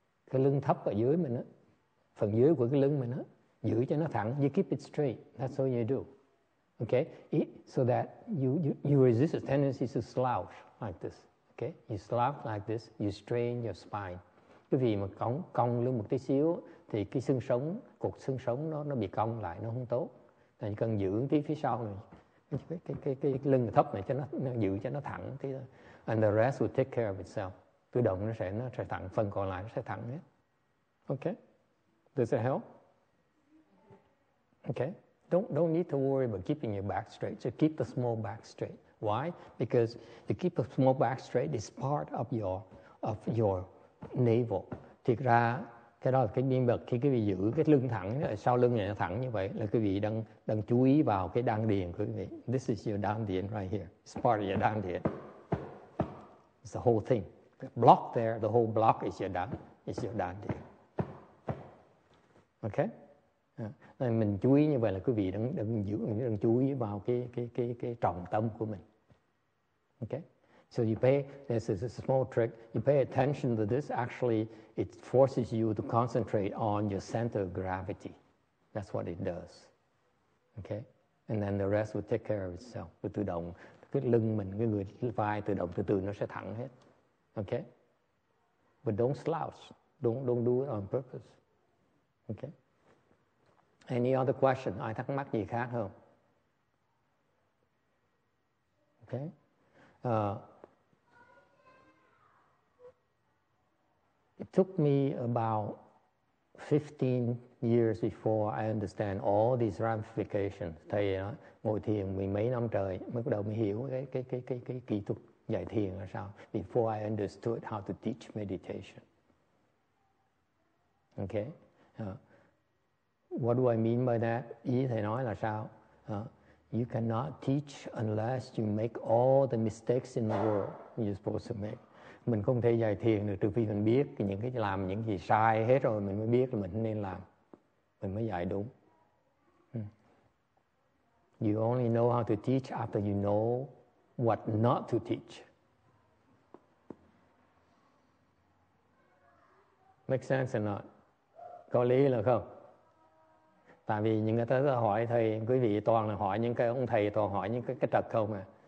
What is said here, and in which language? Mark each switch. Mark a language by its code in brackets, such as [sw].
[vi] Cái lưng thấp ở dưới mình á, phần dưới của cái lưng mình á, giữ cho nó thẳng. [en] You keep it straight. That's all you do. Okay? So that you resist the tendency to slouch like this. Okay? You slouch like this, you strain your spine. [vi] Cái vì mà cong lưng một tí xíu thì cái xương sống, cột xương sống nó bị cong lại, nó không tốt. Nên cần giữ tí phía sau này. Cái lưng thấp này cho nó giữ cho nó thẳng tí thôi. [en] And the rest will take care of itself. [vi] Tự động nó sẽ thẳng, phần còn lại nó sẽ thẳng hết. [en] Okay? Does that help? Okay? Don't need to worry about keeping your back straight. So keep the small back straight. Why? Because to keep the small back straight is part of your navel. [vi] Thực ra, cái đó là cái biên bậc khi quý vị giữ cái lưng thẳng, sau lưng này nó thẳng như vậy, là quý vị đang chú ý vào cái đan điền của quý vị. [en] This is your đan điền right here. It's part of your đan điền. It's the whole thing. The block there, the whole block is your đan điền. Okay? [vi] Nên mình chú ý như vậy là quý vị đang chú ý vào cái trọng tâm của mình. [en] Okay? So you pay, this is a small trick, you pay attention to this, actually it forces you to concentrate on your center of gravity. That's what it does. Okay? And then the rest will take care of itself. [vi] Tự động, cái lưng mình, cái người vai tự động từ từ nó sẽ thẳng hết. [en] Okay? But don't slouch. Don't do it on purpose. Okay? Any other question? [vi] Ai thắc mắc gì khác không? [en] Okay. It took me about 15 years before I understand all these ramifications. [vi] Thầy ngồi thiền mấy năm trời mới bắt đầu mới hiểu cái kỹ thuật dạy thiền là sao. [en] Before I understood how to teach meditation. Okay. What do I mean by that? [vi] Ý thầy nói là sao? [en] You cannot teach unless you make all the mistakes in the world you're supposed to make. [vi] Mình không thể dạy thiền được trừ phi mình biết những cái làm những gì sai hết rồi mình mới biết là mình nên làm. Mình mới dạy đúng. [en] You only know how to teach after you know what not to teach. Make sense or not? [vi] Có lý là không? Tại vì những người ta hỏi thầy, quý vị toàn là hỏi những cái ông thầy toàn hỏi những cái trật không à.